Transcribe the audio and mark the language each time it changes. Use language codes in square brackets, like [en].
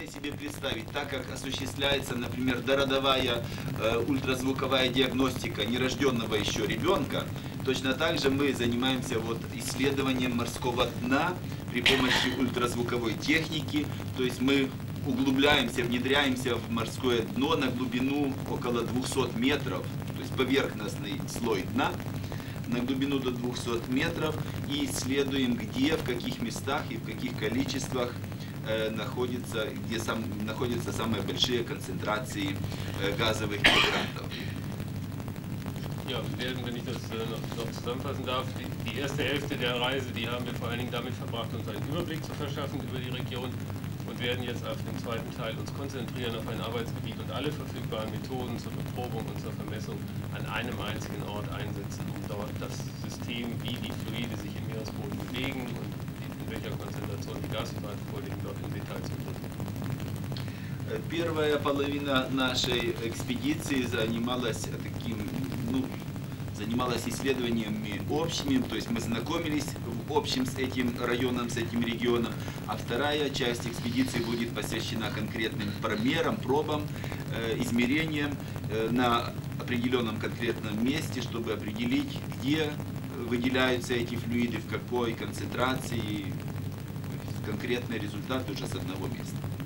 [ru] Представить, так как осуществляется, например, дородовая ультразвуковая диагностика нерожденного еще ребенка, точно так же мы занимаемся вот исследованием морского дна при помощи ультразвуковой техники, то есть мы углубляемся, внедряемся в морское дно на глубину около 200 метров, то есть поверхностный слой дна на глубину до 200 метров и исследуем, где, в каких местах и в каких количествах находится, где сам находятся самые большие концентрации газовых гидратов. [de] Ja, werden, wenn ich das noch zusammenfassen darf, die erste Hälfte der Reise, die haben wir vor allen Dingen damit verbracht, uns einen Überblick zu verschaffen über die Region und werden jetzt auf den zweiten Teil uns konzentrieren auf ein Arbeitsgebiet und alle verfügbaren Methoden zur Beprobung und zur Vermessung an einem einzigen Ort einsetzen, um dort das System, wie die Fluide sich im Meeresboden bewegen und welcher Konzentration die Gashydrate vorliegen, dort im Detail zu prüfen. [ru] Первая половина нашей экспедиции занималась таким, ну, занималась исследованиями общими, то есть мы знакомились в общем с этим районом, с этим регионом, а вторая часть экспедиции будет посвящена конкретным промерам, пробам, измерениям на определенном конкретном месте, чтобы определить, где выделяются эти флюиды, в какой концентрации, конкретный результат уже с одного места.